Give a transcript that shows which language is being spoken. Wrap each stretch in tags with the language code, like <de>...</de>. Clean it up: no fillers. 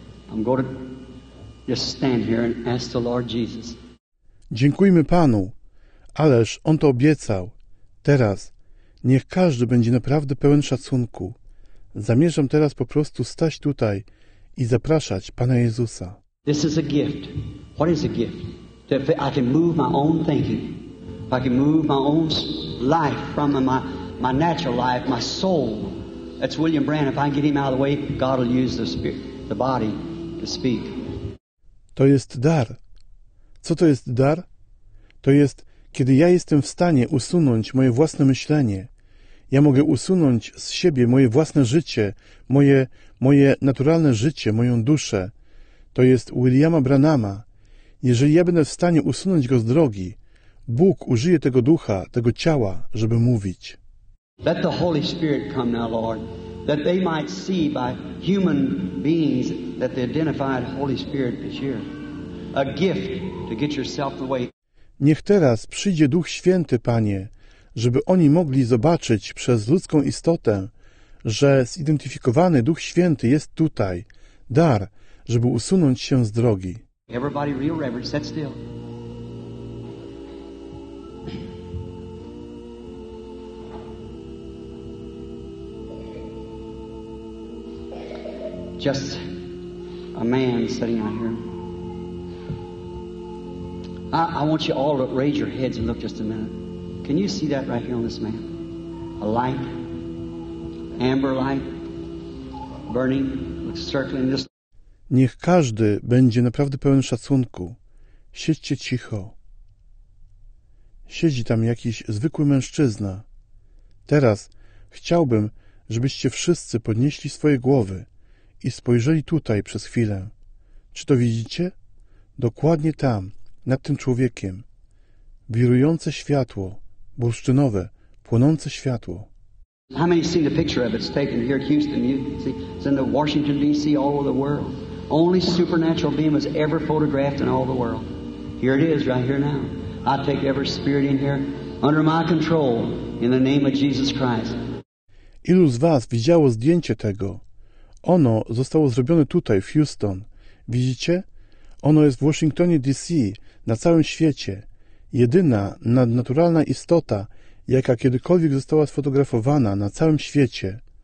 <en>I'm going to just stand here and ask the Lord Jesus.</en> <pl>Dziękujmy Panu, ależ On to obiecał. Teraz niech każdy będzie naprawdę pełen szacunku. Zamierzam teraz po prostu stać tutaj i zapraszać Pana Jezusa.</pl> <en>This is a gift. What is a gift? That if I can move my own thinking, if I can move my own life from my natural life, my soul. That's William Branham. If I can get him out of the way, God will use the spirit, the body to speak.</en> <pl>To jest dar. Co to jest dar? To jest, kiedy ja jestem w stanie usunąć moje własne myślenie. Ja mogę usunąć z siebie moje własne życie, moje naturalne życie, moją duszę. To jest Williama Branhama. Jeżeli ja będę w stanie usunąć go z drogi, Bóg użyje tego ducha, tego ciała, żeby mówić.</pl> <en>Let the Holy Spirit come now, Lord, that they might see by human beings that the identified Holy Spirit is here. A gift to get yourself away.</en> <pl>Niech teraz przyjdzie Duch Święty, Panie, żeby oni mogli zobaczyć przez ludzką istotę, że zidentyfikowany Duch Święty jest tutaj, dar, żeby usunąć się z drogi.</pl> <en>Everybody real reverence, sit still. Just a man sitting out here. I want you all to raise your heads and look just a minute. Can you see that right here on this man? A light, amber light, burning, circling this.</en> <pl>Niech każdy będzie naprawdę pełen szacunku. Siedźcie cicho. Siedzi tam jakiś zwykły mężczyzna. Teraz chciałbym, żebyście wszyscy podnieśli swoje głowy i spojrzeli tutaj przez chwilę. Czy to widzicie? Dokładnie tam. Nad tym człowiekiem. Wirujące światło. Bursztynowe. Płonące światło.</pl> <en>How many seen the picture of it? It's taken here at Houston. You see, it's in the Washington, D.C., all over the world. Only supernatural being was ever photographed in all the world. Here it is, right here now. I take every spirit in here under my control in the name of Jesus Christ.</en> <pl>Ilu z was widziało zdjęcie tego? Ono zostało zrobione tutaj, w Houston. Widzicie? Ono jest w Washingtonie, D.C., na całym świecie. Jedyna nadnaturalna istota, jaka kiedykolwiek została sfotografowana na całym świecie.</pl>